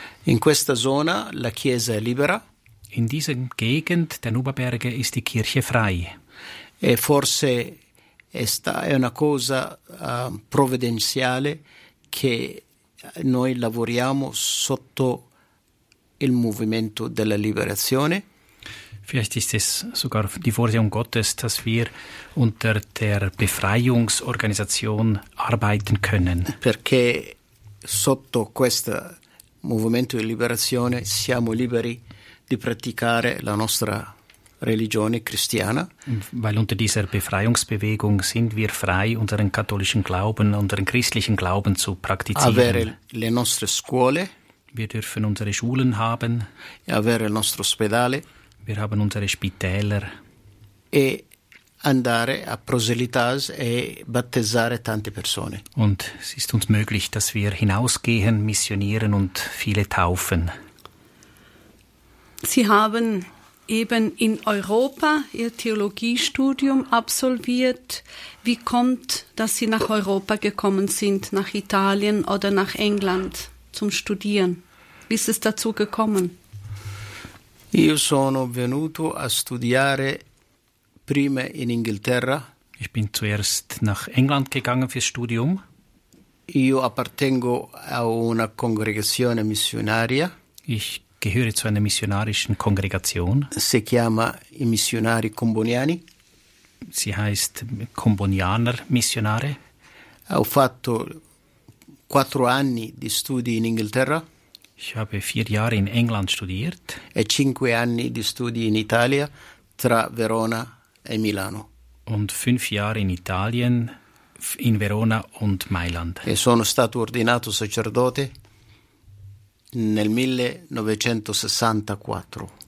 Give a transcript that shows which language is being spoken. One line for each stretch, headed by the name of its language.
Italian: In questa zona la chiesa è libera.
German: In dieser Gegend der Nuba-Berge ist die Kirche frei.
Italian: E forse è una cosa provvidenziale che noi lavoriamo sotto il movimento della liberazione.
German: Vielleicht ist es sogar die Vorsehung Gottes, dass wir unter der Befreiungsorganisation arbeiten können.
Italian: Perché sotto questo movimento di liberazione siamo liberi di praticare la nostra religione cristiana.
German: Weil unter dieser Befreiungsbewegung sind wir frei, unseren katholischen Glauben, unseren christlichen Glauben zu praktizieren.
Italian: Avere le nostre scuole.
German: Wir dürfen unsere Schulen haben.
Italian: Avere il nostro ospedale.
German: Wir haben unsere Spitäler.
Italian: E andare a proselitas e battezzare tante persone.
German: Und es ist uns möglich, dass wir hinausgehen, missionieren und viele taufen. Sie haben eben in Europa Ihr Theologiestudium absolviert. Wie kommt, dass Sie nach Europa gekommen sind, nach Italien oder nach England zum Studieren? Wie ist es dazu gekommen?
Italian: Io sono venuto a studiare prima in Inghilterra.
German: Ich bin zuerst nach England gegangen fürs Studium.
Italian: Io appartengo a una congregazione missionaria.
German: Ich gehöre zu einer missionarischen Kongregation.
Italian: Si chiama i missionari comboniani.
German: Sie heißt Combonianer Missionare.
Italian: Ho fatto 4 anni di studi in Inghilterra.
German: Ich habe 4 Jahre in England studiert.
Italian: E 5 anni di studi in Italia tra Verona e Milano.
German: Und 5 Jahre in Italien, in Verona und Mailand.
Italian: E sono stato ordinato sacerdote nel 1964.